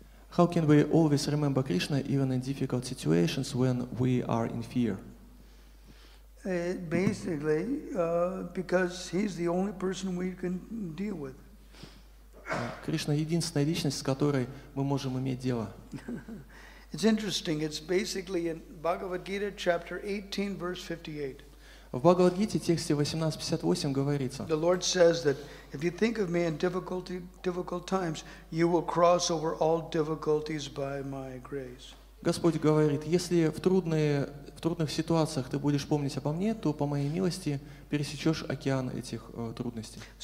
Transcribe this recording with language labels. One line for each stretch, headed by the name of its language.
English: How can we always remember Krishna even in difficult situations when we are in fear? Basically, because he's the only person we can deal with.
Russian: Krishna – единственная личность, с которой мы можем иметь дело.
English: It's interesting. It's basically in Bhagavad Gita, chapter 18, verse 58.
Russian: В Бхагавад-гите, тексте 18.58, говорится:
English: The Lord says that if you think of me in difficult times, you will cross over all difficulties by my grace.
Russian: Господь говорит, если в трудных ситуациях ты будешь помнить обо мне, то по моей милости пересечешь океан этих трудностей.